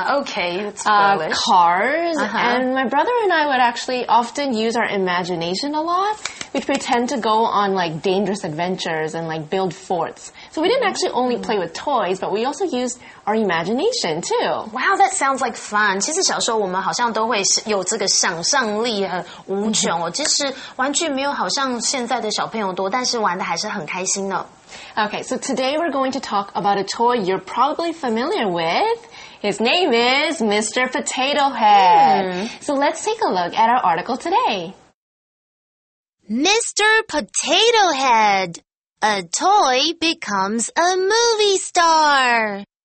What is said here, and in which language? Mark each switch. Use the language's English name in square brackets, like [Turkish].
[English] Okay, that's foolish. Cars. Uh-huh. And my brother and I would actually often use our imagination a lot. We'd pretend to go on like dangerous adventures and like build forts. So we didn't actually only play with toys, but we also used our imagination too. Wow, that sounds like fun. [Chinese] 其实小时候我们好像都会有这个想象力很无穷哦。其实玩具没有好像现在的小朋友多，但是玩的还是很开心的。 [English] Okay, so today we're going to talk about a toy you're probably familiar with. His name is Mr. Potato Head. Mm. So let's take a look at our article today. Mr. Potato Head, a toy becomes a movie star.